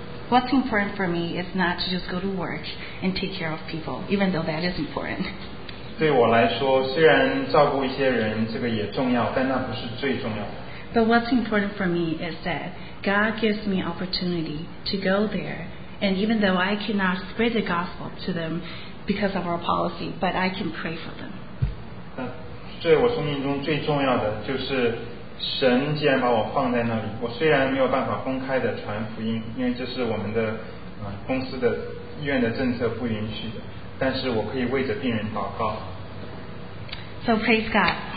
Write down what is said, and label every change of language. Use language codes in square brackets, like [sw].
[en] What's important for me is not to just go to work and take care of people, even though that is important. [zh] 对我来说，虽然照顾一些人这个也重要，但那不是最重要的。 [en] But what's important for me is that God gives me opportunity to go there. And even though I cannot spread the gospel to them because of our policy, but I can pray for them. [zh] 对我生命中最重要的就是神既然把我放在那里，我虽然没有办法公开的传福音，因为这是我们的公司的医院的政策不允许的，但是我可以为着病人祷告。 [en] So praise God.